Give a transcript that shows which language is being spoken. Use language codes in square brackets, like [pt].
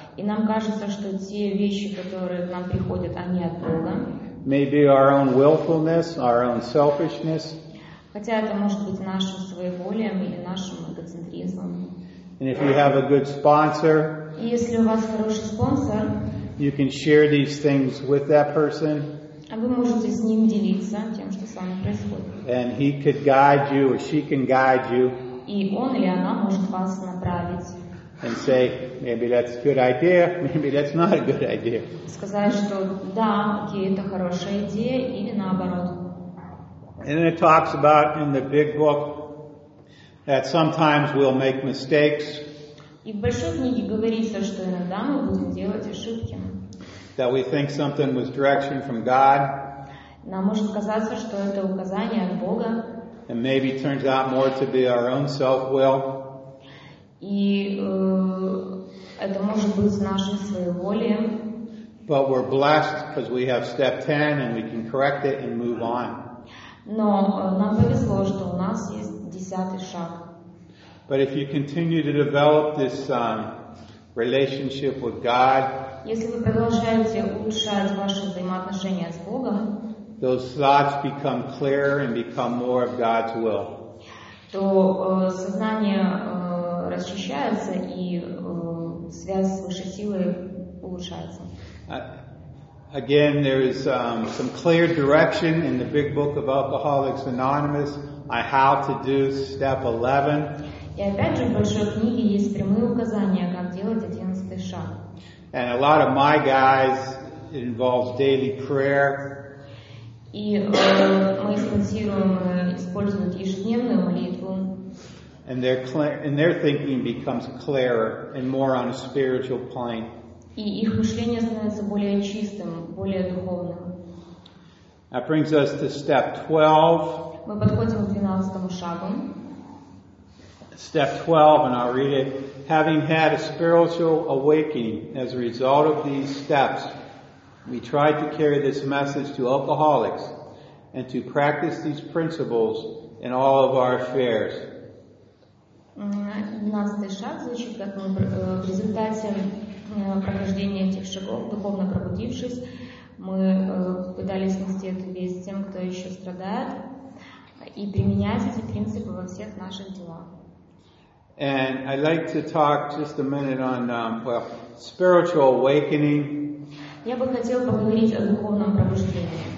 [ru] и нам кажется, что те вещи, которые к нам приходят, они от Бога. [en] Maybe our own willfulness, our own selfishness. [ru] Хотя это может быть нашим своеволием или нашим эгоцентризмом. [en] And if you have a good sponsor, [ru] и если у вас хороший спонсор, [en] you can share these things with that person. [ru] А вы можете с ним делиться тем, что с вами происходит. [en] And he could guide you, or she can guide you. [ru] И он или она может вас направить. [en] And say, maybe that's a good idea, maybe that's not a good idea. [ru] Сказать, что да, окей, это хорошая идея, или наоборот. [en] And it talks about in the big book that sometimes we'll make mistakes. [ru] И в большой книге говорится, что иногда мы будем делать ошибки. [en] That we think something was direction from God. [ru] Нам может казаться, что это указание от Бога. [en] And maybe turns out more to be our own self-will. [ru] И это может быть нашим своеволием. [en] But we're blessed because we have step 10 and we can correct it and move on. [ru] Но нам повезло, что у нас есть 10-й шаг. [en] But if you continue to develop this relationship with God, [ru] если вы продолжаете улучшать ваши взаимоотношения с Богом, [en] those thoughts become clearer and become more of God's will. [ru] То сознание расчищается и связь с высшей силой улучшается. [en] Again, there is some clear direction in the big book of Alcoholics Anonymous on how to do step 11. [ru] И опять же, в большой книге есть прямые указания, как делать 11-й шаг. [en] And a lot of my guys, it involves daily prayer. [ru] И мы используем, ежедневную молитву. [en] And their thinking becomes clearer and more on a spiritual plane. [ru] И их мышление становится более чистым, более духовным. [en] That brings us to step 12. [ru] Мы подходим к 12-му шагу. [en] Step 12, and I'll read it. Having had a spiritual awakening as a result of these steps, we tried to carry this message to alcoholics and to practice these principles in all of our affairs. [ru] 12-й шаг звучит, как мы в результате прохождения этих шагов, духовно пробудившись, мы пытались нести эту весть тем, кто еще страдает, и применять эти принципы во всех наших делах. [en] And I'd like to talk just a minute on spiritual awakening. [ru] Я бы хотел поговорить о духовном пробуждении.